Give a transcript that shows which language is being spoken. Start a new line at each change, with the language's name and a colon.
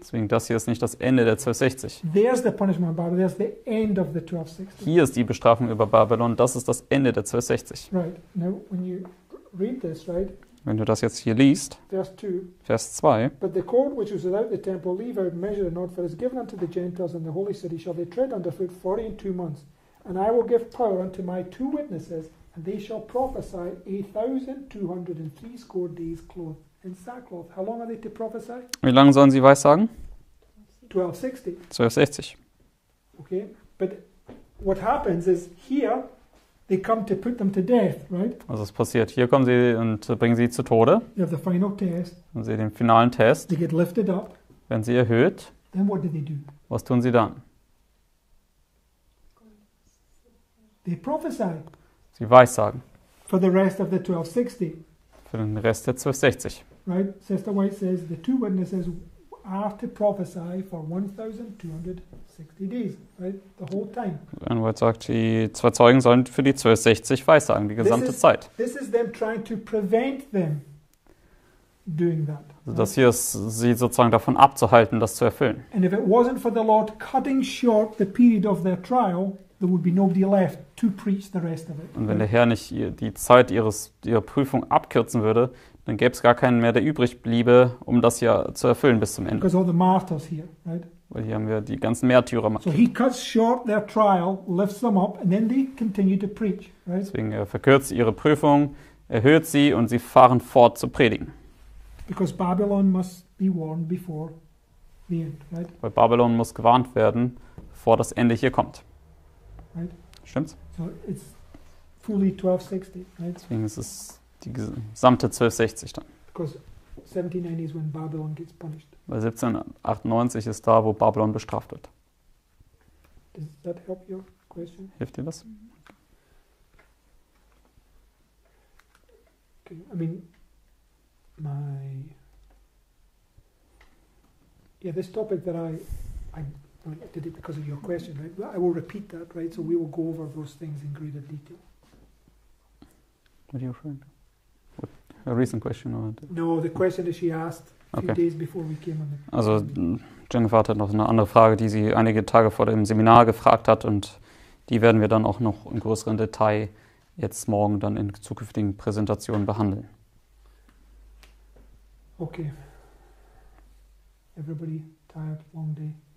German: Deswegen, das hier ist nicht das Ende der 1260.
English: There's the punishment of Babylon, there's the end of the 1260.
German: Hier ist die Bestrafung über Babylon, das ist das Ende der 1260.
English: Right, now when you read this, right?
German: Wenn du das jetzt hier liest, Vers 2.
English: But the court which was without the temple, leave out, measure not, for it is given unto the Gentiles and the holy city, shall they tread underfoot 42 months. And I will give power unto my 2 witnesses, and they shall prophesy 1,260 days clothed in sackcloth. How long are they to prophesy?
German: Wie lange sollen sie weissagen? 1260.
English: Okay, but what happens is here they come to put them to death, right?
German: Also es passiert, hier kommen sie und bringen sie zu Tode.
English: They have the final test.
German: Und sie den finalen Test.
English: They get lifted up.
German: Wenn sie erhöht.
English: Then what do they do?
German: Was tun sie dann?
English: They prophesy.
German: Sie weissagen.
English: For the rest of the 1260.
German: Für den Rest der 1260.
English: Right? Sister White says the 2 witnesses are to prophesy for 1,260 days, right? The whole time.
German: Anne White sagt, die 2 Zeugen sollen für die 1260 weissagen, die gesamte Zeit.
English: This is them trying to prevent them doing that.
German: Also das hier ist sie sozusagen davon abzuhalten, das zu erfüllen.
English: And if it wasn't for the Lord cutting short the period of their trial, there would be nobody left to preach the rest of it.
German: Und wenn der Herr nicht die Zeit ihrer Prüfung abkürzen würde, dann gäbe es gar keinen mehr, der übrig bliebe, um das ja zu erfüllen bis zum Ende.
English: Because all the martyrs here, right?
German: Weil hier haben wir die ganzen Märtyrer.
English: So he cuts short their trial, lifts them up, and then they continue to preach, right?
German: Deswegen verkürzt ihre Prüfung, erhöht sie und sie fahren fort zu predigen.
English: Because Babylon must be warned before the end, right?
German: Weil Babylon muss gewarnt werden, bevor das Ende hier kommt.
English: Right?
German: Stimmt's?
English: So it's fully 1260, right?
German: Deswegen ist es die gesamte 1260 dann.
English: Because 1790 is when Babylon gets punished.
German: Weil 1798 ist da, wo Babylon bestraft wird.
English: Does that help your question?
German: Hilft dir das?
English: Okay. I mean, this topic that I did it because of your question, right? I will repeat that, right? So we will go over those things in greater detail. What are you referring to? A recent question? Or no, the question that she asked a few days before we came on the...
German: Also Jennifer hat noch eine andere Frage, die sie einige Tage vor dem Seminar gefragt hat, und die werden wir dann auch noch im größeren Detail jetzt morgen dann in zukünftigen Präsentationen behandeln.
English: Okay. Everybody tired, long day?